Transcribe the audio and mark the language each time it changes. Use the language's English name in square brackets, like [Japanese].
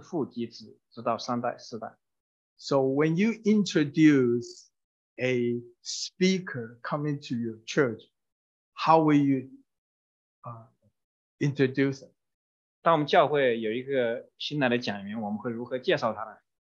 [Chinese] 今天我们读的经句，耶和华很清楚地把他自己向摩西显现，说：“耶和华，耶和华是有怜悯、有恩典的神，不轻易发怒，并有丰盛的慈爱和诚实，为千万人存留慈爱，赦免罪孽过犯和罪恶，万不以有罪的为无罪，必追讨他的罪，自父及子，直到三代世代。” [English] So when you introduce a speaker coming to your church, how will you introduce it? [Chinese] 当我们教会有一个新来的讲员，我们会如何介绍他呢？